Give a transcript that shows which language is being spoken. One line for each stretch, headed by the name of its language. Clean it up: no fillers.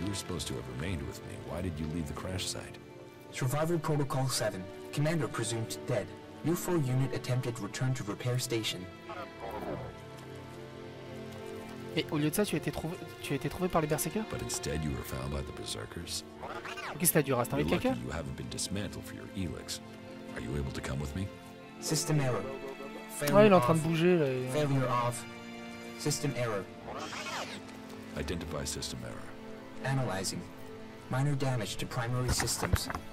English: You were supposed to have remained with me. Why did you leave the crash site? Survival Protocol 7. Commander presumed dead. You four unit attempted return to repair station.
French: Et au lieu de ça, tu as été trouvé par les berserkers?
English: But instead, you were found by the berserkers.
French: Qu'est-ce que t'as dû rester avec quelqu'un?
English: You haven't been dismantled for your Elix. Are you able to come with me? System error.
French: Ouais, il est en train de bouger là.
English: Failure of. System error. Identify system error. Analyzing. Minor damage to primary systems.